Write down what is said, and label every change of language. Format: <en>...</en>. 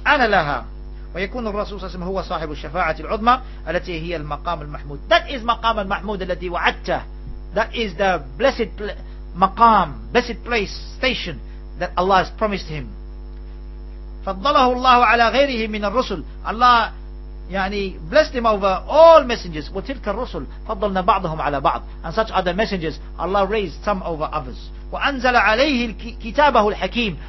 <ar>Ana laha. وَيَكُونُ الرَّسُولُ صَلَّى اللَّهُ عَلَيْهِ وَسَلَّمَ هُوَ صَاحِبُ الشَّفَاعَةِ الْعُظْمَى الَّتِي هِيَ الْمَقَامُ الْمَحْمُودُ.</ar> <en>That is</en> <ar>maqam al-mahmood alladhi wa'adta.</ar> <en>That is the blessed maqam, blessed place, station that Allah has promised him.</en> <ar>فضله الله على غيره من الرسل.</ar> <en>Allah يعني blessed him over all messengers.</en> <ar>وتلك الرسل فضلنا بعضهم على بعض.</ar> <en>And such other messengers, Allah raised some over others.</en> <ar>وأنزل عليه كتابه الحكيم.</ar>